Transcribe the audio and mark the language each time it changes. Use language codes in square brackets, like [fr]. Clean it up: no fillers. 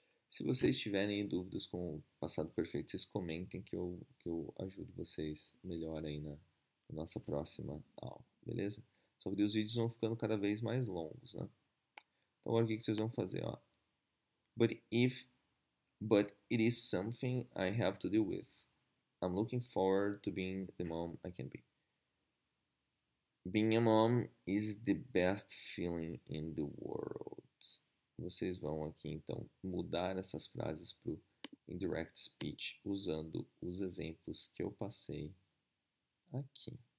[pt] Se vocês tiverem dúvidas com o passado perfeito, vocês comentem que eu ajudo vocês melhor aí na nossa próxima aula, beleza? Só que os vídeos vão ficando cada vez mais longos, né? Então, agora o que vocês vão fazer, ó? [en] But it is something I have to deal with. I'm looking forward to being the mom I can be. Being a mom is the best feeling in the world. [pt] Vocês vão aqui, então, mudar essas frases para o indirect speech usando os exemplos que eu passei aqui.